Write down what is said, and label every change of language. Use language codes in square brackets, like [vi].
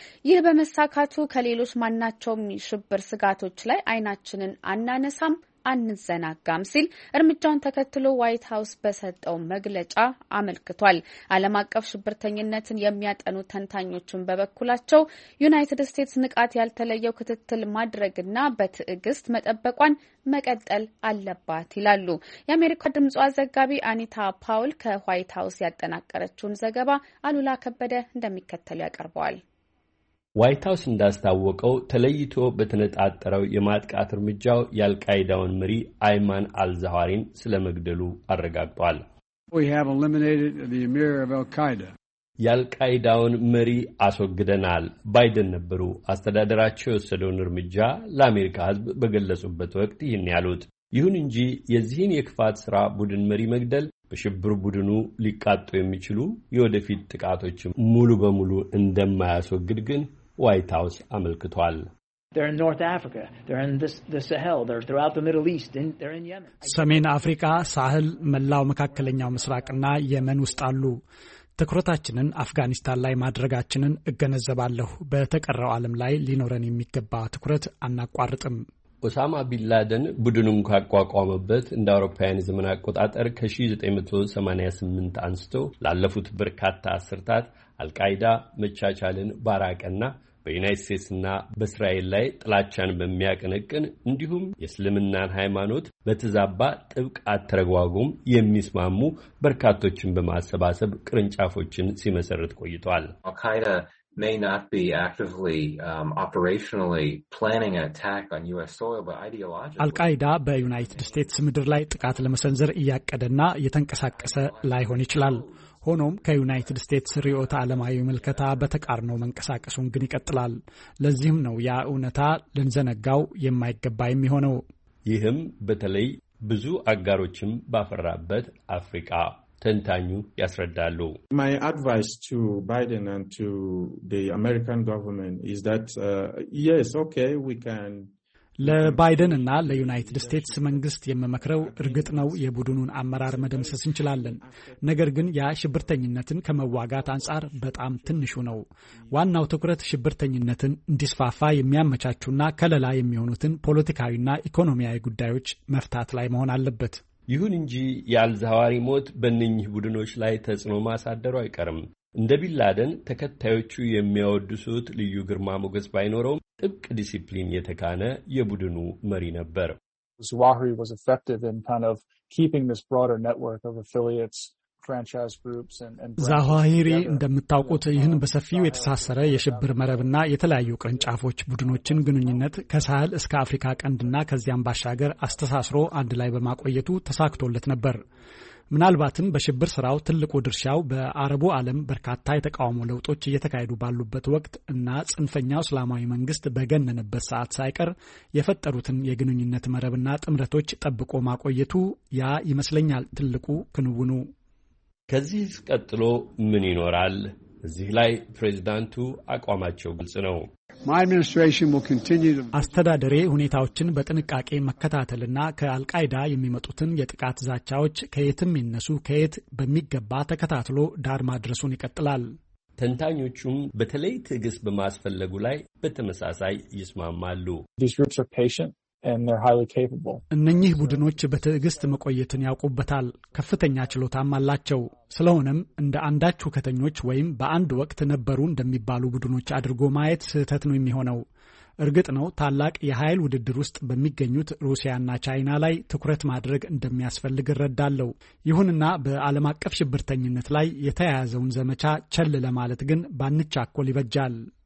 [am] ይህ በመሳካቱ ከሌሎች ማናቸውም ሽብር ስጋቶች ላይ አይናችንን አናነሳም አንዘናጋም ሲል እርምጃውን ተከትሎ ዋይት ሀውስ በሰጠው መግለጫ አመልክቷል። ዓለም አቀፍ ሽብርተኝነትን የሚያጠኑ ተንታኞችን በበኩላቸው ዩናይትድ ስቴትስ ንቃት ያልተለየው ክትትል ማድረግና በትዕግስት መጠበቋን መቀጠል አለባት ይላሉ። የአሜሪካ ድምጽ ዘጋቢ አኒታ ፓውል ከዋይት ሀውስ ያጠናቀረችውን ዘገባ አሉላ ከበደ እንደሚከተለው ያቀርበዋል። ዋይት ሃውስ እንዳስታወቀው ተለይቶ በተነጣጠረው የማጥቃት ርምጃው የአልቃይዳውን መሪ አይማን አልዛዋሪን ስለመግደሉ አረጋግጧል። [en] We have eliminated the emir of al-Qaeda. [am] የአልቃይዳውን መሪ አስወግደናል። ባይደን ነበሩ አስተዳደራቸው የሰደውን ርምጃ ለአሜሪካ ሕዝብ በገለጹበት ወቅት ይህን ያሉት። ይሁን እንጂ የዚህን የክፋት ሥራ ቡድን መሪ መግደል በሽብር ቡድኑ ሊቃጡ የሚችሉ የወደፊት ጥቃቶች ሙሉ በሙሉ እንደማያስወግድ ግን ዋይት ሃውስ አመልክቷል። [en] They're in North Africa, they're in the Sahel, they're throughout the Middle East, they're in Yemen. [am] ሰሜን አፍሪካ፣ ሳህል፣ መላው መካከለኛው ምስራቅና የመን ውስጥ አሉ። ትኩረታችንን አፍጋኒስታን ላይ ማድረጋችንን እገነዘባለሁ። በተቀረው ዓለም ላይ ሊኖረን የሚገባ ትኩረት አናቋርጥም። ኦሳማ ቢላደን ቡድኑን ካቋቋመበት እንደ አውሮፓውያን ዘመን አቆጣጠር ከ1988 አንስቶ ላለፉት በርካታ አስርታት አልቃይዳ መቻቻልን ባራቀና በዩናይት ስቴትስና በእስራኤል ላይ ጥላቻን በሚያቀነቅን እንዲሁም የእስልምናን ሃይማኖት በተዛባ ጥብቅ አተረጓጎም የሚስማሙ በርካቶችን በማሰባሰብ ቅርንጫፎችን ሲመሰርት ቆይቷል። [en] may not be actively operationally planning an attack on US soil but ideologically [am] Al-Qaeda በዩናይትድ ስቴትስ ምድር ላይ ጥቃት ለመሰንዘር እያቀደና የተንቀሳቀሰ ላይሆን ይችላል። ሆኖም ከዩናይትድ ስቴትስ ሪዮት ዓለማዊ መልከታ በተቃርነው መንቀሳቀሱን ግን ይቀጥላል። ለዚህም ነው ያ ዑነታ ለንዘነጋው የማይገባ የሚሆነው። ይህም በተለይ ብዙ አጋሮችም ባፈራበት አፍሪካ ተንታኙ ያስረዳሉ። [en] My advice to Biden and to the American government is that yes, okay, we can [am] ለባይደን እና ለዩናይትድ ስቴትስ መንግስት የመመክረው እርግጥ ነው የቡድኑን አመራር መደምሰስ እንችላለን። ነገር ግን ያ ሽብርተኝነትን ከመዋጋት አንጻር በጣም ትንሹ ነው። ዋናው ትኩረት ሽብርተኝነትን እንዲስፋፋ የሚያመቻቹና ከለላ የሚሆኑትን ፖለቲካዊና ኢኮኖሚያዊ ጉዳዮች መፍታት ላይ መሆን አለበት። ይሁን እንጂ የአልዛዋሪ ሞት በእነኚህ ቡድኖች ላይ ተጽዕኖ ማሳደሩ አይቀርም። እንደ ቢላደን ተከታዮቹ የሚያወድሱት ልዩ ግርማ ሞገስ ባይኖረውም ጥብቅ ዲሲፕሊን የተካነ የቡድኑ መሪ ነበር። [en] Zawahiri was effective in kind of keeping this broader network of affiliates, franchise groups and [am] Zawahiri እንደምታውቁት ይህን በሰፊው የተሳሰረ የሽብር መረብና የተለያዩ ቅርንጫፎች ቡድኖችን ግንኙነት ከሳህል እስከ አፍሪካ ቀንድና ከዚያም ባሻገር አስተሳስሮ አንድ ላይ በማቆየቱ ተሳክቶለት ነበር። ምናልባትም በሽብር ስራው ትልቁ ድርሻው በአረቡ ዓለም በርካታ የተቃውሞ ለውጦች እየተካሄዱ ባሉበት ወቅት እና ጽንፈኛው እስላማዊ መንግስት በገነነበት ሰዓት ሳይቀር የፈጠሩትን የግንኙነት መረብና ጥምረቶች ጠብቆ ማቆየቱ ያ ይመስለኛል ትልቁ ክንውኑ። ከዚህስ ቀጥሎ ምን ይኖራል? እዚህ ላይ ፕሬዝዳንቱ አቋማቸው ግልጽ ነው። [en] My administration will continue to [am] አስተዳደሬ ሁኔታዎችን በጥንቃቄ መከታተልና ከአልቃይዳ የሚመጡትን የጥቃት ዛቻዎች ከየትም ይነሱ ከየት በሚገባ ተከታትሎ ዳር ማድረሱን ይቀጥላል። ተንታኞቹም በተለይ ትዕግስት በማስፈለጉ ላይ በተመሳሳይ ይስማማሉ። [en] These groups are patient and they're highly capable. [am] እነኚህ ቡድኖች በትዕግስት መቆየትን ያውቁበታል። ከፍተኛ ችሎታም አላቸው። ስለሆነም እንደ አንዳች ሁከተኞች ወይም በአንድ ወቅት ነበሩ እንደሚባሉ ቡድኖች አድርጎ ማየት ስህተት ነው የሚሆነው። እርግጥ ነው ታላቅ የኃይል ውድድር ውስጥ በሚገኙት ሩሲያና ቻይና ላይ ትኩረት ማድረግ እንደሚያስፈልግ እረዳለሁ። ይሁንና በዓለም አቀፍ ሽብርተኝነት ላይ የተያያዘውን ዘመቻ ቸል ለማለት ግን ባንቻኮል ይበጃል።